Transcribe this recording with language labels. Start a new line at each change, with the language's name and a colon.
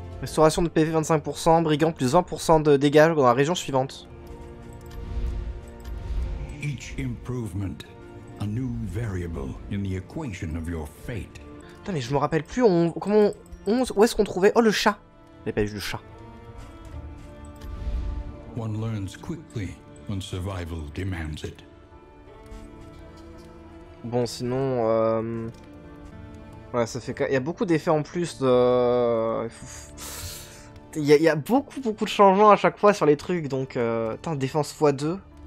French: Restauration de PV 25%, brigand plus 20% de dégâts dans la région suivante.
English: Each improvement, a new variable in the equation of your fate.
French: Putain, mais je me rappelle plus on, comment on, où est-ce qu'on trouvait. Oh, le chat. J'ai pas vu le chat.
English: One learns quickly when survival demands it.
French: Bon, sinon ouais, ça fait il y a beaucoup d'effets en plus de il y a beaucoup de changements à chaque fois sur les trucs, donc putain, défense x2.